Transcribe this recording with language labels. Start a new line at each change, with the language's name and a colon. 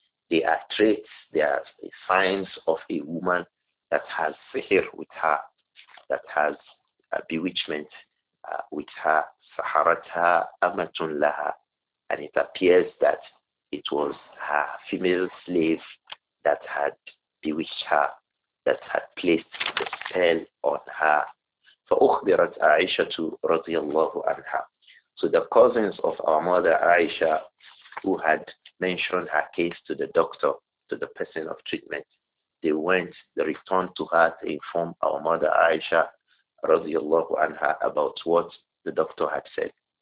English: They are traits, they are signs of a woman that has sihr with her, that has a bewitchment with her. Saharatha amatun laha. And it appears that it was her female slave that had bewitched her, that had placed the spell on her.
Arabic: فأخبرت عائشة رضي الله عنها.
English: So the cousins of our mother Aisha, who had mentioned her case to the doctor, to the person of treatment, they went, they returned to her to inform our mother Aisha رضي الله عنها about what the doctor had said.